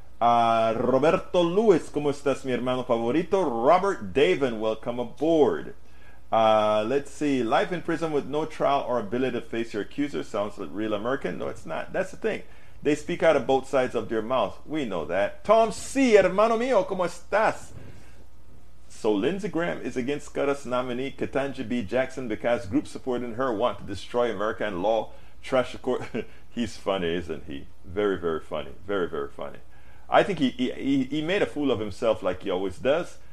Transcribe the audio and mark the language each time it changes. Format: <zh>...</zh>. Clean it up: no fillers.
<es>Roberto Lewis, ¿cómo estás, mi hermano favorito?</es> <en>Robert Davin, welcome aboard. Let's see. Life in prison with no trial or ability to face your accuser sounds like real American. No, it's not. That's the thing. They speak out of both sides of their mouth. We know that.</en> <es>Tom C., hermano mío, ¿cómo estás?</es> <en>So Lindsey Graham is against Scudder's nominee Ketanji B. Jackson because groups supporting her want to destroy America and law, trash the court. He's funny, isn't he? Very, very funny. Very, very funny. I think he made a fool of himself like he always does.</en>